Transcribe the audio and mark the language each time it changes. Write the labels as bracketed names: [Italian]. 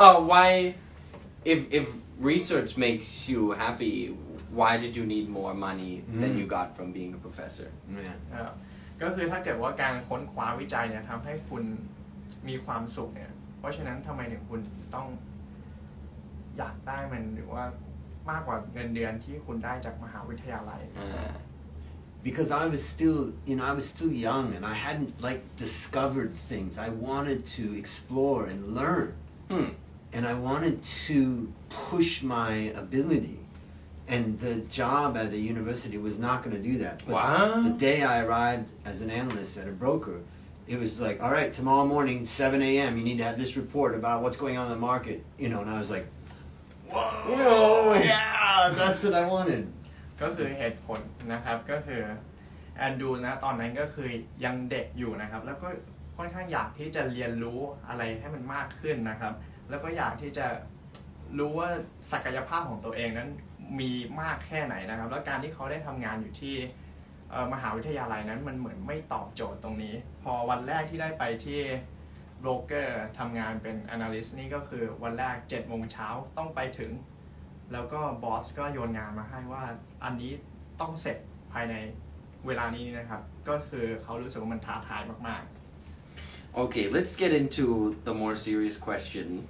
[English] Why, if research makes you happy, why did you need more money than you got from being a professor? [Thai] ก็คือถ้าเกิดว่าการค้นคว้าวิจัยเนี่ยทำให้คุณมีความสุขเนี่ยเพราะฉะนั้นทำไมถึงคุณต้องอยากได้มันหรือว่ามากกว่าเงินเดือนที่คุณได้จากมหาวิทยาลัย [English] Because I was still, you know, I was still young and I hadn't, like, discovered things. I wanted to explore and learn. Hmm. And I wanted to push my ability. And the job at the university was not going to do that. But wow. The day I arrived as an analyst at a broker, it was like, all right, tomorrow morning, 7 a.m., you need to have this report about what's going on in the market. You know, and I was like, whoa, yeah, that's what I wanted. [Thai] ก็คือเหตุผลนะครับก็คือแอนดูนะตอนนั้นก็คือยังเด็กอยู่นะครับแล้วก็ค่อนข้างอยากที่จะเรียนรู้อะไรให้มันมากขึ้นนะครับแล้วก็อยากที่จะรู้ว่าศักยภาพของตัวเองนั้นมีมากแค่ไหนนะครับแล้วการที่เขาได้ทำงานอยู่ที่ มหาวิทยาลัยนั้นมันเหมือนไม่ตอบโจทย์ตรงนี้พอวันแรกที่ได้ไปที่โบรกเกอร์ทำงานเป็นแอนาลิสต์นี่ก็คือวันแรก7โมงเช้าต้องไปถึงแล้วก็บอสก็โยนงานมาให้ว่าอันนี้ต้องเสร็จภายในเวลานี้นะครับก็คือเขารู้สึกว่ามันท้าทายมาก [English] ๆ Okay, let's get into the more serious question.